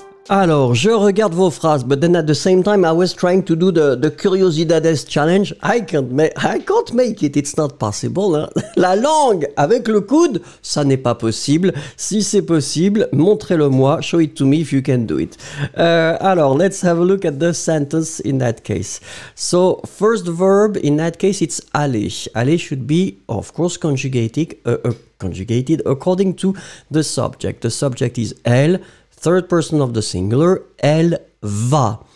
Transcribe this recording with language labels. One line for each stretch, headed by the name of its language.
French: Alors, je regarde vos phrases,
English: but then at the same time, I was trying to do the Curiosidades challenge. I can't make it. It's not possible. Hein?
French: La langue avec le coude, ça n'est pas possible. Si c'est possible, montrez-le-moi.
English: Show it to me if you can do it.
French: Alors,
English: let's have a look at the sentence in that case. So, first verb in that case, it's aller. Aller should be, of course, conjugated according to the subject. The subject is elle. Third person of the singular, elle va.